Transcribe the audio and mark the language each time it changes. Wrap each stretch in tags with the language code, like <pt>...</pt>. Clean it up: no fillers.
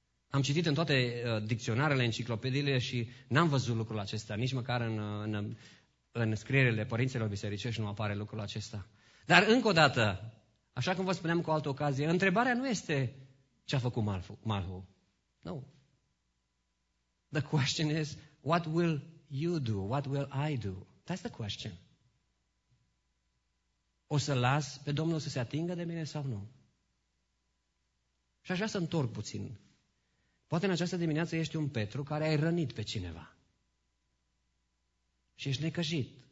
<ro>Am citit în toate dicționarele, enciclopediile și n-am văzut lucrul acesta, nici măcar în scrierile părinților bisericești nu apare lucrul acesta. Dar încă o dată, așa cum vă spuneam cu altă ocazie, întrebarea nu este ce a făcut Malhu.</ro> <en>No. The question is, what will you do? What will I do? That's the question.</en> <ro>O să las pe Domnul să se atingă de mine sau nu? Și aș vrea să întorc puțin. Poate în această dimineață ești un Petru care ai rănit pe cineva. Și ești necăjit.</ro>